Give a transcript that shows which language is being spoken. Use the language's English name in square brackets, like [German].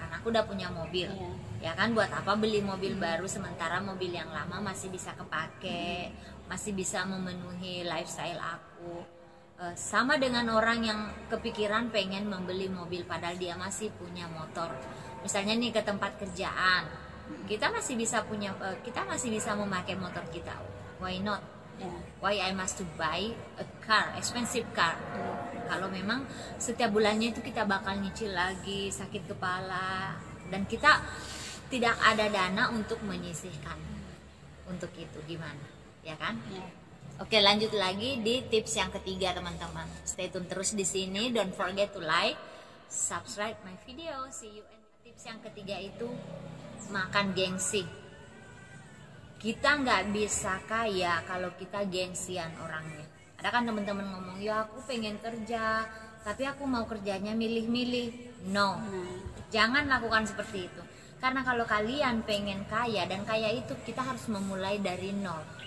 [Indonesian] Karena aku udah punya mobil. Ya kan, buat apa beli mobil baru sementara mobil yang lama masih bisa kepake, masih bisa memenuhi lifestyle aku. Sama dengan orang yang kepikiran pengen membeli mobil padahal dia masih punya motor. Misalnya nih ke tempat kerjaan, kita masih bisa punya, kita masih bisa memakai motor kita. [English] Why not? Why I must to buy a car, expensive car? [Indonesian] Kalau memang setiap bulannya itu kita bakal nyicil lagi, sakit kepala, dan kita tidak ada dana untuk menyisihkan untuk itu, gimana? Ya kan? Oke, lanjut lagi di tips yang ketiga teman-teman. [English] Stay tune [Indonesian] terus di sini. [English] Don't forget to like, subscribe my video. See you. And [Indonesian] tips yang ketiga itu makan gengsi. Kita nggak bisa kaya kalau kita gengsian orangnya. Ada kan teman-teman ngomong, ya aku pengen kerja, tapi aku mau kerjanya milih-milih. [English] No, [Indonesian] jangan lakukan seperti itu. Karena kalau kalian pengen kaya, dan kaya itu kita harus memulai dari nol.